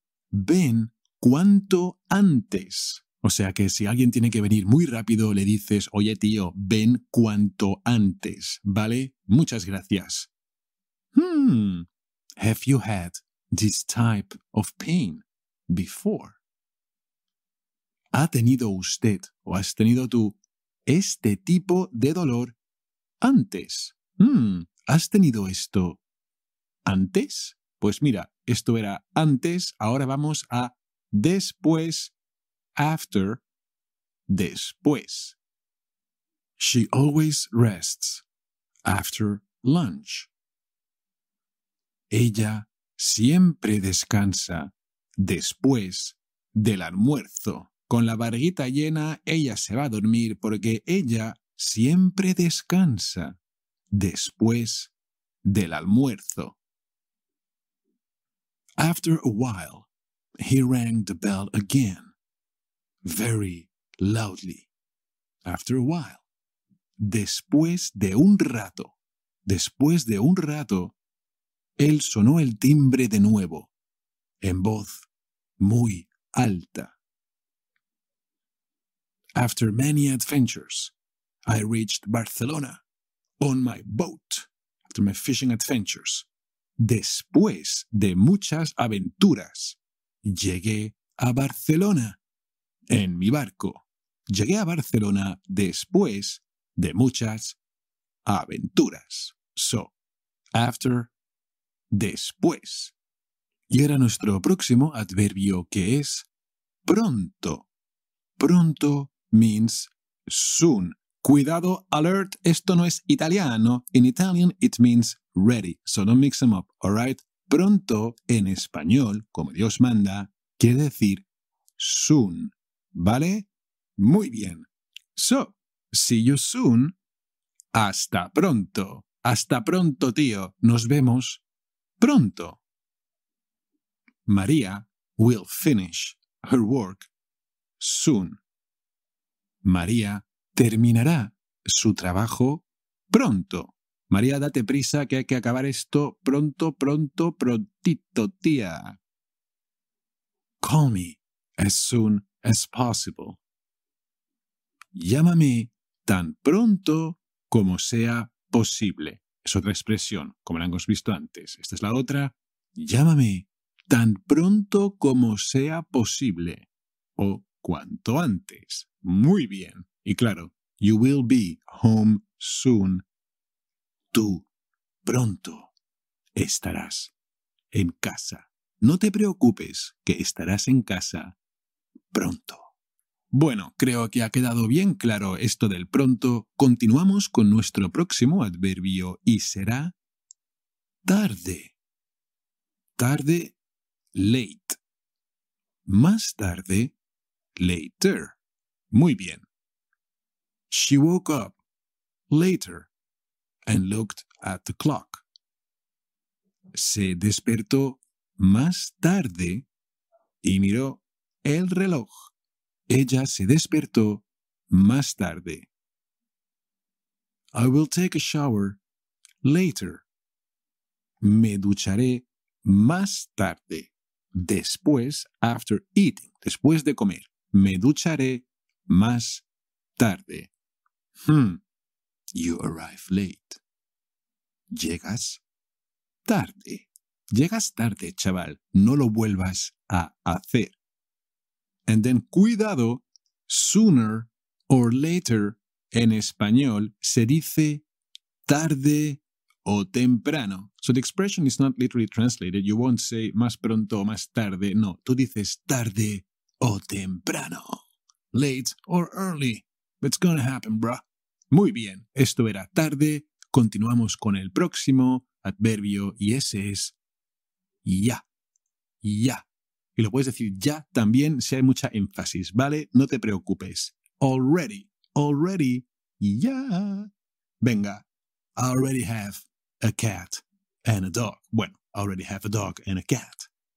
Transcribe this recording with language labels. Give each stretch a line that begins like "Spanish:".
Spanish: Ven cuanto antes. O sea que si alguien tiene que venir muy rápido, le dices, oye tío, ven cuanto antes, ¿vale? Muchas gracias.
English: Have you had this type of pain before?
Spanish: ¿Ha tenido usted o has tenido tú este tipo de dolor antes? ¿Has tenido esto antes? Pues mira, esto era antes, ahora vamos a después, after, después.
English: She always rests after lunch.
Spanish: Ella siempre descansa después del almuerzo. Con la barriguita llena, ella se va a dormir porque ella siempre descansa después del almuerzo.
English: After a while, he rang the bell again, very loudly. After a while,
Spanish: después de un rato, después de un rato, él sonó el timbre de nuevo, en voz muy alta.
English: After many adventures, I reached Barcelona on my boat. After my fishing adventures,
Spanish: después de muchas aventuras, llegué a Barcelona en mi barco. Llegué a Barcelona después de muchas aventuras.
English: So, after, después.
Spanish: Y ahora nuestro próximo adverbio, que es pronto.
English: Pronto means soon.
Spanish: Cuidado, alert, esto no es italiano.
English: In Italian, it means ready. So don't mix them up, all right?
Spanish: Pronto, en español, como Dios manda, quiere decir soon, ¿vale? Muy bien.
English: So, see you soon.
Spanish: Hasta pronto. Hasta pronto, tío. Nos vemos pronto.
English: María will finish her work soon.
Spanish: María terminará su trabajo pronto. María, date prisa que hay que acabar esto pronto, pronto, prontito, tía.
English: Call me as soon as possible.
Spanish: Llámame tan pronto como sea posible. Es otra expresión, como la hemos visto antes. Esta es la otra. Llámame tan pronto como sea posible. O cuanto antes. Muy bien. Y claro,
English: you will be home soon.
Spanish: Tú pronto estarás en casa. No te preocupes que estarás en casa pronto. Bueno, creo que ha quedado bien claro esto del pronto. Continuamos con nuestro próximo adverbio y será tarde. Tarde, late. Más tarde, later. Muy bien.
English: She woke up later and looked at the clock.
Spanish: Se despertó más tarde y miró el reloj. Ella se despertó más tarde.
English: I will take a shower later.
Spanish: Me ducharé más tarde. Después,
English: after eating,
Spanish: después de comer. Me ducharé más tarde.
English: You arrive late.
Spanish: Llegas tarde. Llegas tarde, chaval. No lo vuelvas a hacer.
English: And then,
Spanish: cuidado,
English: sooner or later,
Spanish: en español, se dice tarde o temprano.
English: So the expression is not literally translated. You won't say más pronto o más tarde.
Spanish: No, tú dices tarde o temprano.
English: Late or early. It's gonna happen, bro.
Spanish: Muy bien, esto era tarde. Continuamos con el próximo adverbio y ese es ya. Ya. Y lo puedes decir ya también si hay mucha énfasis, ¿vale? No te preocupes.
English: Already, already,
Spanish: ya. Venga,
English: I already have a cat and a dog.
Spanish: Bueno,
English: I already have a dog and a cat.